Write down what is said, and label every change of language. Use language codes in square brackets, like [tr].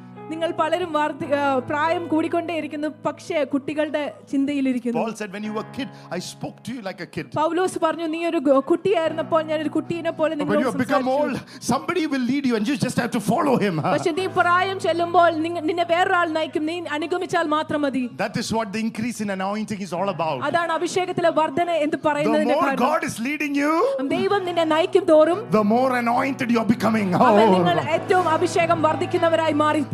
[ml] നിങ്ങൾ പലരും പ്രായം കൂടിക്കൊണ്ടേയിരിക്കുന്നു, പക്ഷേ കുട്ടികളുടെ ചിന്തയിലിരിക്കുന്നു. [en] Paul said when you were kid I spoke to you like a kid. [ml] പൗലോസ് പറഞ്ഞു, നീ ഒരു കുട്ടിയായിരുന്നപ്പോൾ ഞാൻ ഒരു കുട്ടിയെ പോലെ നിന്നോട് സംസാരിച്ചു. [en] When you become old somebody will lead you and you just have to follow him. [ml] പക്ഷേ നീ പ്രായം ചെല്ലുമ്പോൾ നിന്നെ വേറൊരാൾ നയിക്കും, നീ അനുഗമിച്ചാൽ മാത്രം മതി. [en] That is what the increase in anointing is all about. [ml] അതാണ് അഭിഷേകത്തിലെ വർദ്ധന എന്ന് പറയുന്നത്. [en] The more God is leading you, [ml] ദൈവം നിന്നെ നയിക്കും തോറും, [en] the more anointed you are becoming. [ml] നിങ്ങൾ ഏറ്റവും അഭിഷേകം വർദ്ധിക്കുന്നവരായി മാറി.